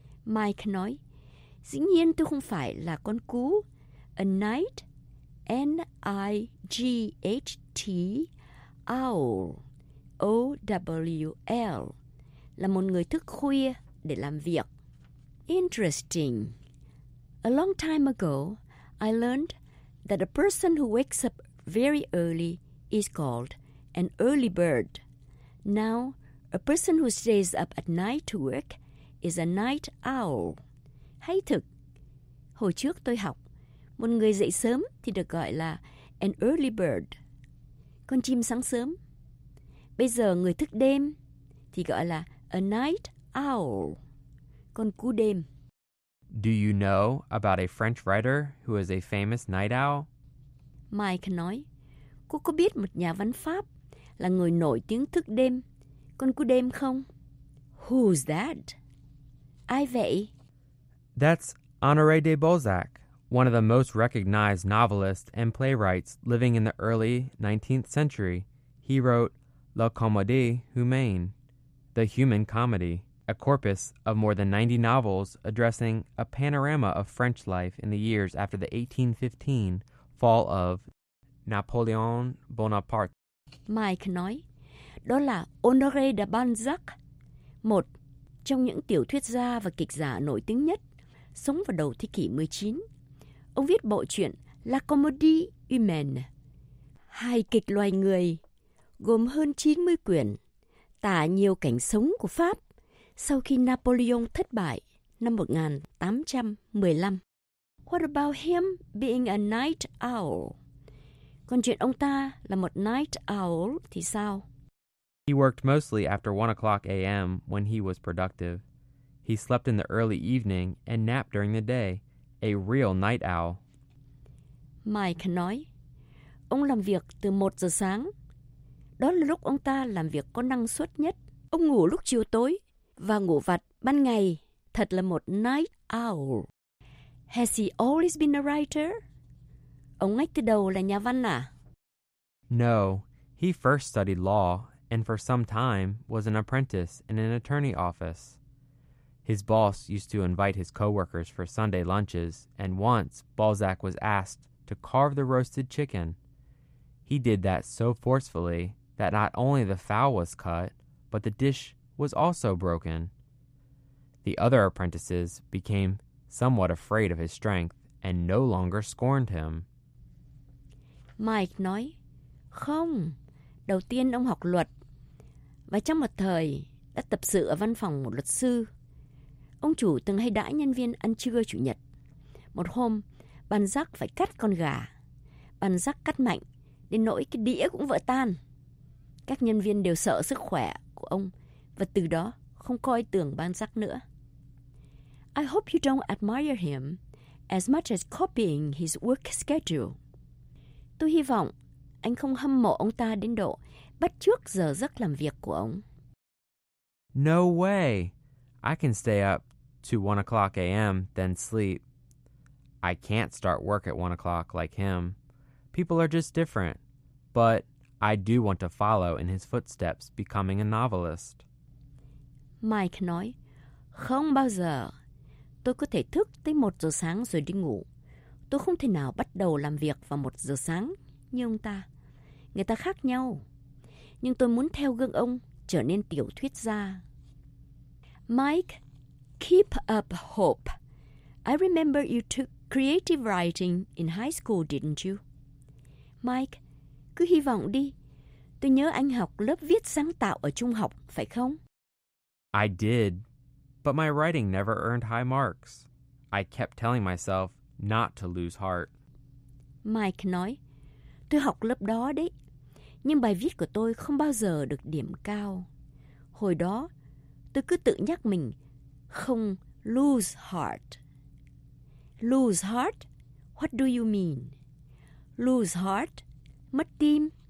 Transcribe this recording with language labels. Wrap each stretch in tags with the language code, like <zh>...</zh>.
<vi>Mike nói, dĩ nhiên tôi không phải là con cú.</vi> <en>A night, N-I-G-H-T, owl, O-W-L,</en> <vi>là một người thức khuya để làm việc.</vi> <en>Interesting. A long time ago, I learned that a person who wakes up very early is called an early bird. Now, a person who stays up at night to work is a night owl.</en> <vi>Hay thực! Hồi trước tôi học, một người dậy sớm thì được gọi là</vi> <en>an early bird,</en> <vi>con chim sáng sớm. Bây giờ người thức đêm thì gọi là</vi> <en>a night owl,</en> <vi>con cú đêm.</vi> <en>Do you know about a French writer who is a famous night owl?</en> <vi>Mike nói, cô có biết một nhà văn Pháp là người nổi tiếng thức đêm, con cú đêm không?</vi> <en>Who's that?</en> <vi>Ai vậy?</vi> <en>That's Honoré de Balzac, one of the most recognized novelists and playwrights living in the early 19th century. He wrote La Comédie Humaine, The Human Comedy, a corpus of more than 90 novels addressing a panorama of French life in the years after the 1815 fall of Napoleon Bonaparte.</en> <vi>Mike nói, đó là Honoré de Balzac, một trong những tiểu thuyết gia và kịch giả nổi tiếng nhất, sống vào đầu thế kỷ 19. Ông viết bộ truyện La Comédie Humaine, hài kịch loài người, gồm hơn 90 quyển, tả nhiều cảnh sống của Pháp sau khi Napoleon thất bại năm 1815.</vi> <en>What about him being a night owl?</en> <vi>Còn chuyện ông ta là một night owl thì sao?</vi> <en>He worked mostly after 1 o'clock a.m. when he was productive. He slept in the early evening and napped during the day. A real night owl.</en> <vi>Mike nói, ông làm việc từ 1 giờ sáng. Đó là lúc ông ta làm việc có năng suất nhất. Ông ngủ lúc chiều tối và ngủ vặt ban ngày, thật là một night owl.</vi> <en>Has he always been a writer?</en> <vi>Ông ngay từ đầu là nhà văn à?</vi> <en>No, he first studied law and for some time was an apprentice in an attorney office. His boss used to invite his coworkers for Sunday lunches, and once Balzac was asked to carve the roasted chicken. He did that so forcefully that not only the fowl was cut, but the dish was also broken. The other apprentices became somewhat afraid of his strength and no longer scorned him.</en> <vi>Mike nói, không, đầu tiên ông học luật và trong một thời đã tập sự ở văn phòng một luật sư. Ông chủ từng hay đãi nhân viên ăn trưa chủ nhật. Một hôm, Balzac phải cắt con gà. Balzac cắt mạnh đến nỗi cái đĩa cũng vỡ tan. Các nhân viên đều sợ sức khỏe của ông và từ đó không coi tưởng Balzac nữa.</vi> <en>I hope you don't admire him as much as copying his work schedule.</en> <vi>Tôi hy vọng anh không hâm mộ ông ta đến độ bắt chước giờ giấc làm việc của ông.</vi> <en>No way. I can stay up to 1 o'clock a.m. then sleep. I can't start work at 1 o'clock like him. People are just different. But I do want to follow in his footsteps, becoming a novelist.</en> <vi>Mike nói, không bao giờ. Tôi có thể thức tới 1 giờ sáng rồi đi ngủ. Tôi không thể nào bắt đầu làm việc vào 1 giờ sáng như ông ta. Người ta khác nhau. Nhưng tôi muốn theo gương ông trở nên tiểu thuyết gia.</vi> <en>Mike, keep up hope. I remember you took creative writing in high school, didn't you?</en> <vi>Mike, cứ hy vọng đi. Tôi nhớ anh học lớp viết sáng tạo ở trung học, phải không?</vi> <en>I did, but my writing never earned high marks. I kept telling myself not to lose heart.</en> <vi>Mike nói, tôi học lớp đó đấy. Nhưng bài viết của tôi không bao giờ được điểm cao. Hồi đó, tôi cứ tự nhắc mình không lose heart.</vi> <en>Lose heart? What do you mean? Lose heart?</en> <vi>Mất tim?</vi>